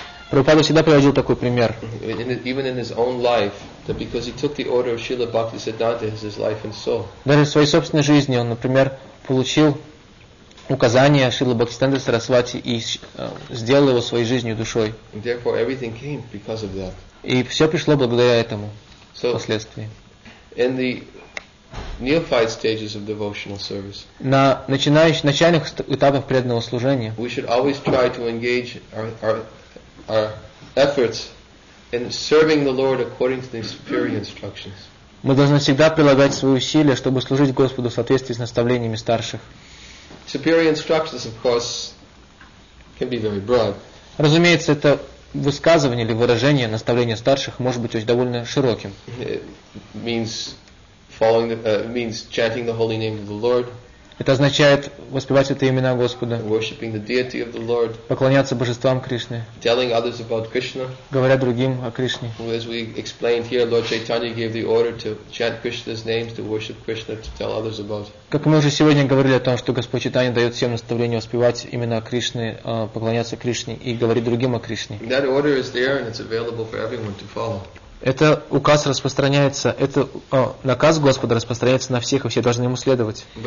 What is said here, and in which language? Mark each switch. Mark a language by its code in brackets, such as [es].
[ru] Прабхупада всегда приводил такой пример. Даже в своей собственной жизни он, например, получил указание Шрилы Бхактисиддханты Сарасвати и сделал его своей жизнью и душой. [en] And therefore everything came because of that. [ru] И все пришло благодаря этому впоследствии. [en] In the neophyte stages of devotional service. [ru] На начальных этапах преданного служения. [en] We should always try to engage our efforts in serving the Lord according to the superior instructions. [ru] Мы должны всегда прилагать свои усилия, чтобы служить Господу в соответствии с наставлениями старших. [en] Superior instructions, of course, can be very broad. [ru] Разумеется, это высказывание или выражение наставления старших может быть очень довольно широким. [en] It means following means chanting the holy name of the Lord. [ru] Это означает воспевать это имена Господа, [en] worshiping the deity of the Lord, [ru] поклоняться божествам Кришны, [en] telling others about Krishna, [ru] говоря другим о Кришне. [en] As we explained here, Lord Chaitanya gave the order to chant Krishna's names, to worship Krishna, to tell others about. [ru] Как мы уже сегодня говорили о том, что Господь Чайтанья дает всем наставление воспевать имена Кришны, поклоняться Кришне и говорить другим о Кришне. [en] That order is there and it's available for everyone to follow. [ru] Это указ распространяется, это наказ Господа распространяется на всех, и все должны ему следовать.